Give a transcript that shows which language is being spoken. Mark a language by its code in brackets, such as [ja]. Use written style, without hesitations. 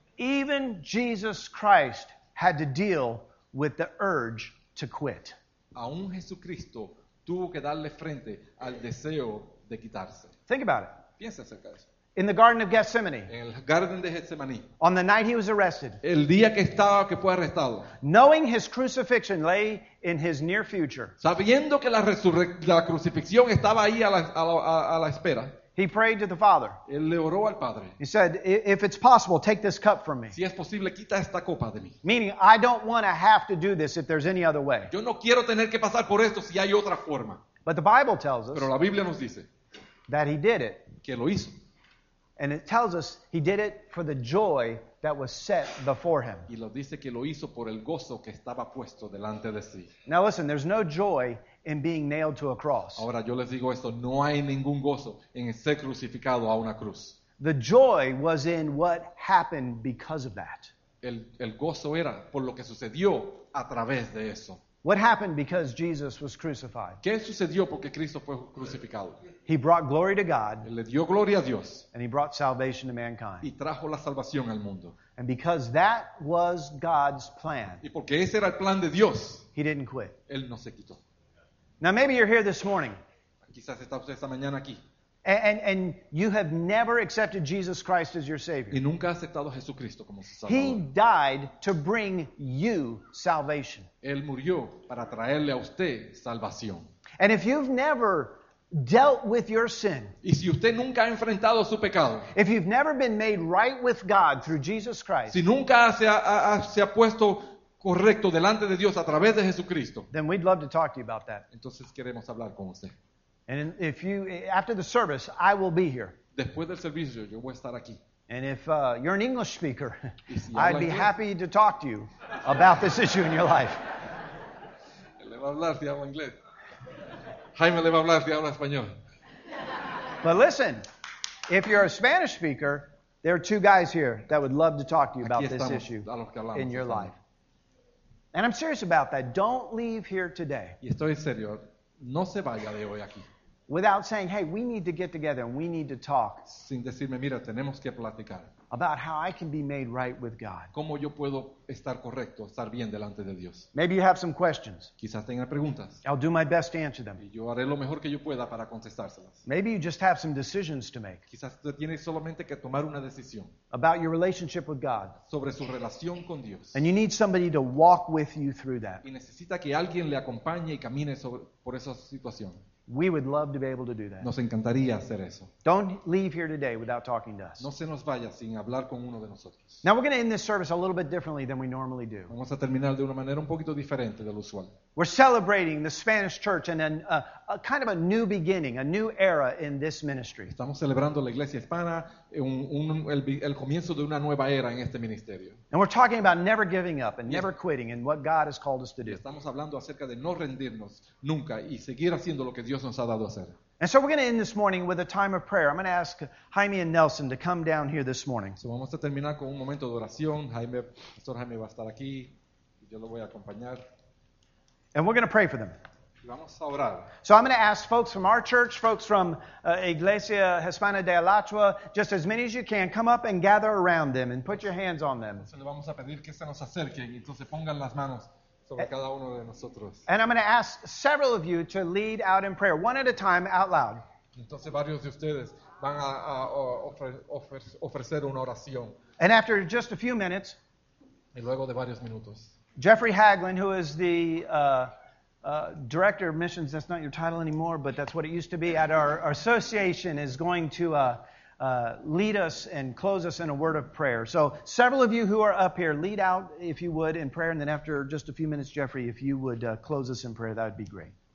[en] Even Jesus Christ had to deal with the urge to quit. [es] Aún Jesucristo tuvo que darle frente al deseo de quitarse. [en] Think about it. [es] Piensa acerca de eso. [en] In the Garden of Gethsemane. [es] En el Garden de Getsemaní. [en] On the night he was arrested. [es] El día que fue arrestado. [en] Knowing his crucifixion lay in his near future. [es] Sabiendo que la crucifixión estaba ahí a la espera. [en] He prayed to the Father. [es] Él le oró al Padre. [en] He said, if it's possible, take this cup from me. [es] Si es posible, quita esta copa de mí. [en] Meaning, I don't want to have to do this if there's any other way. [es] Yo no quiero tener que pasar por esto si hay otra forma. [en] But the Bible tells us. [es] Pero la Biblia nos dice. [en] That he did it. [es] Que lo hizo. [en] And it tells us he did it for the joy that was set before him. [es] Y lo dice que lo hizo por el gozo que estaba puesto delante de sí. [en] Now listen, there's no joy in being nailed to a cross. [es] Ahora yo les digo esto, no hay ningún gozo en ser crucificado a una cruz. [en] The joy was in what happened because of that. [es] El gozo era por lo que sucedió a través de eso. [en] What happened because Jesus was crucified? [es] ¿Qué sucedió porque Cristo fue crucificado? [en] He brought glory to God. [es] Él le dio gloria a Dios. [en] And he brought salvation to mankind. [es] Y trajo la salvación al mundo. [en] And because that was God's plan. [es] Y porque ese era el plan de Dios. [en] He didn't quit. [es] Él no se quitó. [en] Now maybe you're here this morning. [es] Quizás está usted esta mañana aquí. [en] And you have never accepted Jesus Christ as your Savior. [es] Y nunca ha aceptado a Jesucristo como su Salvador. [en] He died to bring you salvation. [es] Él murió para traerle a usted salvación. [en] And if you've never dealt with your sin. [es] Y si usted nunca ha enfrentado su pecado. [en] If you've never been made right with God through Jesus Christ. [es] Si nunca se ha puesto correcto delante de Dios a través de Jesucristo. [en] Then we'd love to talk to you about that. [es] Entonces queremos hablar con usted. [en] And if you, after the service, I will be here. [es] Después del servicio, yo voy a estar aquí. [en] And if you're an English speaker, [es] si [en] I'd be happy to talk to you about this issue in your life. [es] Le va a hablar si habla inglés. Jaime le va a hablar si habla español. [en] But listen, If you're a Spanish speaker, there are two guys here that would love to talk to you about this issue in your life. And I'm serious about that. Don't leave here today. [es] Y estoy en serio. No se vaya de hoy aquí. [en] Without saying, hey, we need to get together and we need to talk. [es] Sin decirme, mira, tenemos que platicar. [en] About how I can be made right with God. [es] ¿Cómo yo puedo estar correcto, estar bien delante de Dios? [en] Maybe you have some questions. [es] Quizás tengan preguntas. [en] I'll do my best to answer them. [es] Y yo haré lo mejor que yo pueda para contestárselas. [en] Maybe you just have some decisions to make. [es] Quizás tienes solamente que tomar una decisión. [en] About your relationship with God. [es] Sobre su relación con Dios. [en] And you need somebody to walk with you through that. [es] Y necesita que alguien le acompañe y camine por esa situación. [en] We would love to be able to do that. [es] Nos encantaría hacer eso. [en] Don't leave here today without talking to us. [es] No se nos vaya sin hablar con uno de nosotros. [en] Now we're going to end this service a little bit differently than we normally do. [es] Vamos a terminar de una manera un poquito diferente de lo usual. [en] We're celebrating the Spanish church and a kind of a new beginning, a new era in this ministry. [es] Estamos celebrando la iglesia hispana, el comienzo de una nueva era en este ministerio. [en] And we're talking about never giving up and never quitting and what God has called us to do. [es] Estamos hablando acerca de no rendirnos nunca y seguir haciendo lo que Dios nos ha dado a hacer. [en] And so we're going to end this morning with a time of prayer. I'm going to ask Jaime and Nelson to come down here this morning. [es] So vamos a terminar con un momento de oración. Jaime, Pastor Jaime va a estar aquí. Yo lo voy a acompañar. [en] And we're going to pray for them. [es] Vamos a orar. [en] So I'm going to ask folks from our church, folks from Iglesia Hispana de Alachua, just as many as you can, come up and gather around them and put your hands on them. [es] Entonces vamos a pedir que se nos acerquen, entonces pongan las manos sobre cada uno de nosotros. [en] And I'm going to ask several of you to lead out in prayer, one at a time, out loud. [es] Entonces varios de ustedes van a ofrecer una oración. [en] And after just a few minutes, [es] y luego de varios minutos, [en] Jeffrey Haglin, who is the director of missions, that's not your title anymore, but that's what it used to be, at our association, is going to lead us and close us in a word of prayer. So several of you who are up here, lead out, if you would, in prayer. And then after just a few minutes, Jeffrey, if you would close us in prayer, that would be great.